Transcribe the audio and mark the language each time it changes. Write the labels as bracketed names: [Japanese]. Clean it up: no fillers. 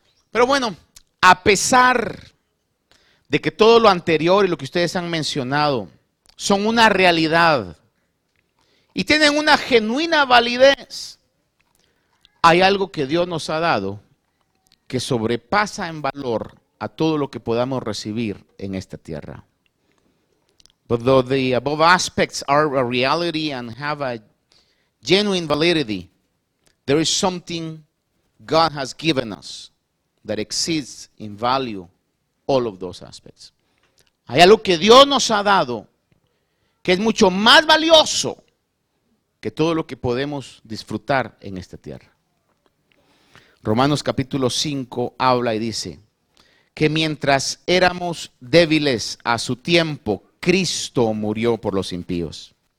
[Spanish] Pero bueno, a pesar de que todo lo anterior y lo que ustedes han mencionado son una realidad y tienen una genuina validez, hay algo que Dios nos ha dado que sobrepasa en valor a todo lo que podamos recibir en esta tierra. [English] But though the above aspects are a reality and have a genuine validity, there is something God has given us that exceeds in value all of those aspects. [Spanish] Hay algo que Dios nos ha dado que es mucho más valioso que todo lo que podemos disfrutar en esta tierra. Romanos capítulo 5 habla y dice que mientras éramos débiles a su tiempo, Cristo murió por los impíos.